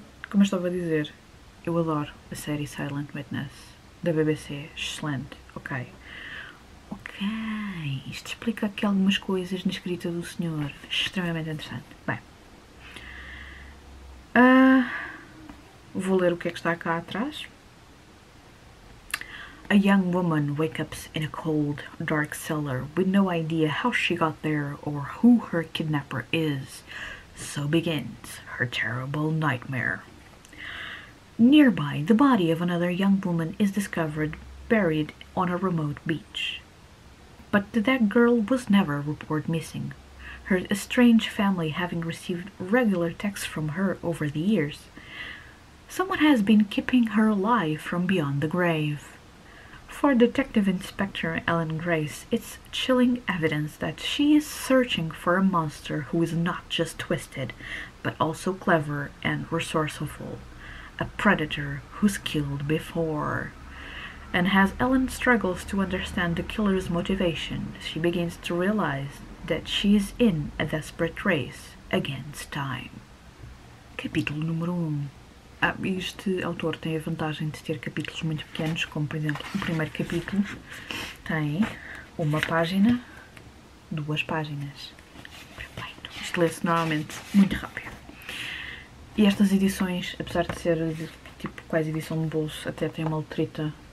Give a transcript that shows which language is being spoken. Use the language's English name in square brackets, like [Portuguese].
[Portuguese] Como eu estava a dizer, eu adoro a série Silent Witness da BBC. Excelente. Ok. Ok, isto explica aqui algumas coisas na escrita do senhor. Extremamente interessante. Bem, vou ler o que é que está cá atrás. [English] A young woman wakes up in a cold, dark cellar with no idea how she got there or who her kidnapper is. So begins her terrible nightmare. Nearby, the body of another young woman is discovered buried on a remote beach. But that girl was never reported missing. Her estranged family having received regular texts from her over the years. Someone has been keeping her alive from beyond the grave. For Detective Inspector Ellen Grace, it's chilling evidence that she is searching for a monster who is not just twisted, but also clever and resourceful. A predator who's killed before. And as Ellen struggles to understand the killer's motivation, she begins to realize that she's in a desperate race against time. [Portuguese] Capítulo número 1. Este autor tem a vantagem de ter capítulos muito pequenos, como por exemplo o primeiro capítulo tem uma página, duas páginas. Perfeito. Isto lê-se normalmente muito rápido. E estas edições, apesar de ser tipo quase edição de bolso, até tem uma letrita.